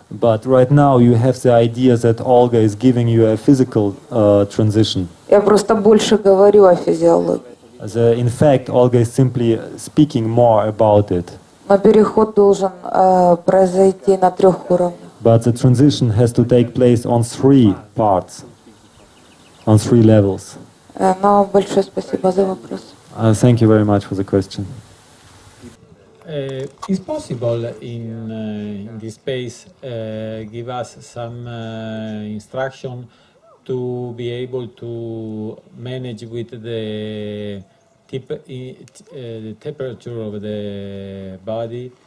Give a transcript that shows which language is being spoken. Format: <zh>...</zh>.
<en>But right now you have the idea that Olga is giving you a physical transition.</en> <ru>Я просто больше говорю о физиологии.</ru> <en>In fact, Olga is simply speaking more about it.</en> <ru>Но переход должен произойти на 3 уровнях.</ru> <en>But the transition has to take place on 3 parts, on 3 levels.</en> <ru>Но большое спасибо за вопрос.</ru> <en>Thank you very much for the question. Is possible in this space give us some instruction to be able to manage with the temperature of the body?</en>